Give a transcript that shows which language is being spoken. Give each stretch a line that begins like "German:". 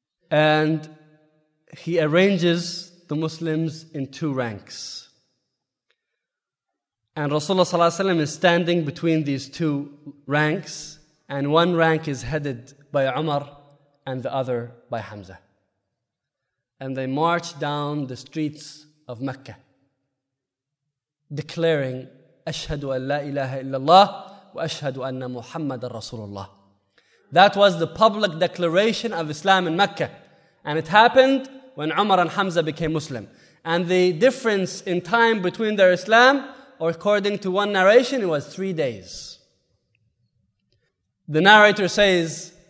English: And he arranges the Muslims in two ranks. And Rasulullah sallallahu alayhi wa sallam is standing between these two ranks. And one rank is headed by Umar and the other by Hamza. And they march down the streets of Mecca, declaring,
Arabic: أَشْهَدُ أَنْ لَا إِلَهَ إِلَّا اللَّهِ وَأَشْهَدُ أَنَّ مُحَمَّدًا رَسُولُ اللَّهِ.
English: That was the public declaration of Islam in Mecca. And it happened when Umar and Hamza became Muslim. And the difference in time between their Islam, or according to one narration, it was 3 days. The narrator says,